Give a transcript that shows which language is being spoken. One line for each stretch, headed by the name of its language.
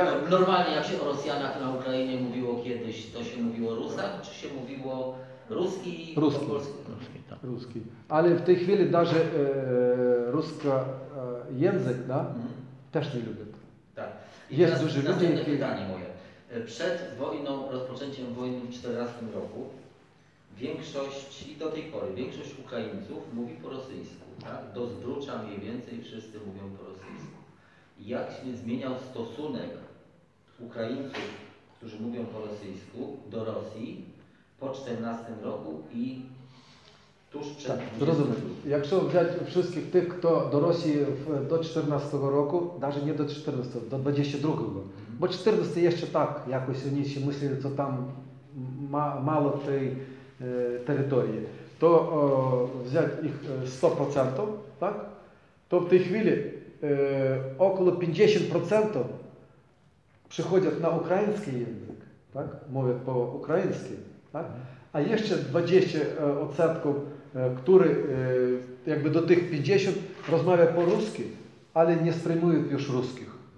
Ukrainian: Нормально, як ще о росіянах на Україні мовило кедись, то ще мовило русак, чи ще мовило русский і по-польськи? Русский. Русский. Але в тій хвилі навіть русский язик, да, теж не любить. Так. Є дуже люди, які... Наступне питання моє. Перед війною, розпочинанням війни в 2014 року,
Polish: większość, i do tej pory, większość Ukraińców mówi po rosyjsku, tak? Do Zbrucza mniej więcej wszyscy mówią po rosyjsku. Jak się zmieniał stosunek Ukraińców, którzy mówią po rosyjsku, do Rosji po 14 roku i tuż przed 20 roku? Rozumiem. Jak trzeba wziąć wszystkich tych, kto do Rosji do 14 roku, nawet nie do 14, do 22, bo 14 jeszcze tak, jakoś oni się myśli, co tam mało tej території,
Ukrainian: то взяти їх 100%, так? То в тій хвилі около 50% приходять на український язик, так? Мовлять по-українськи, так? А ще 20%, які якби до тих 50% розмовляють по-русски, але не сприймують вже русських.